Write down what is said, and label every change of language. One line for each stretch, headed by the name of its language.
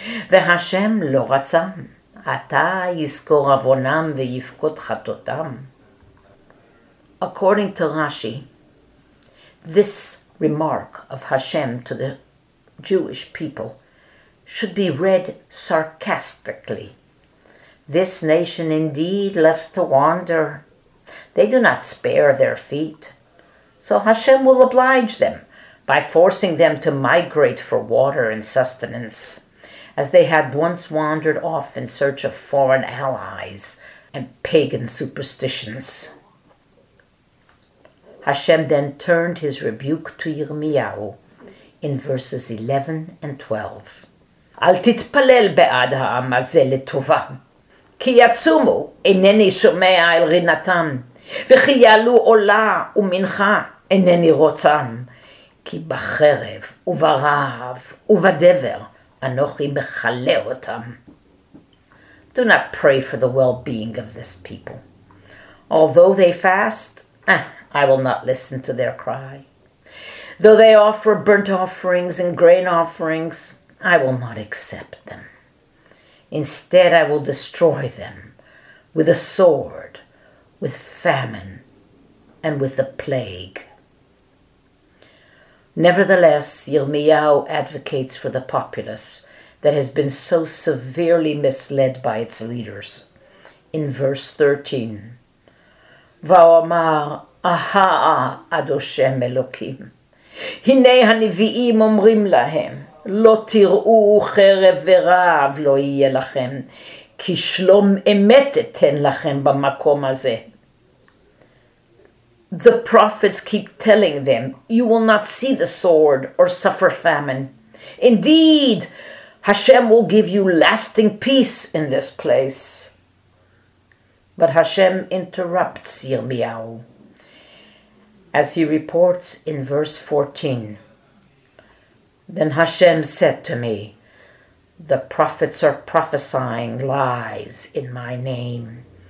Hebrew: והשם לא רצם, אתה יזכור אבונם ויפקוד חטותם.
English: According to Rashi, this remark of Hashem to the Jewish people should be read sarcastically. This nation indeed loves to wander. They do not spare their feet. So Hashem will oblige them by forcing them to migrate for water and sustenance, as they had once wandered off in search of foreign allies and pagan superstitions. Hashem then turned his rebuke to Yirmiyahu in verses 11 and 12.
Hebrew: אל תתפלל בעד העם הזה לטובה. כי יצומו, אינני שומע אל רינתם, וכי יעלו עולה ומנחה, אינני רוצם. כי בחרב וברעב ובדבר אנוכי מחלה אותם.
English: Do not pray for the well-being of this people. Although they fast, I will not listen to their cry. Though they offer burnt offerings and grain offerings, I will not accept them. Instead, I will destroy them with a sword, with famine, and with a plague. Nevertheless, Yirmiyahu advocates for the populace that has been so severely misled by its leaders. In verse 13,
Hebrew: Va'omar, aha, Adoshem Elokim, הנה הנביאים אומרים להם, לא תראו חרב ורעב לא יהיה לכם, כי שלום אמת אתן לכם במקום הזה.
English: The prophets keep telling them, you will not see the sword or suffer famine. Indeed, Hashem will give you lasting peace in this place. But Hashem interrupts Yirmiyahu. As he reports in verse 14, Then Hashem said to me, The prophets are prophesying lies in my name.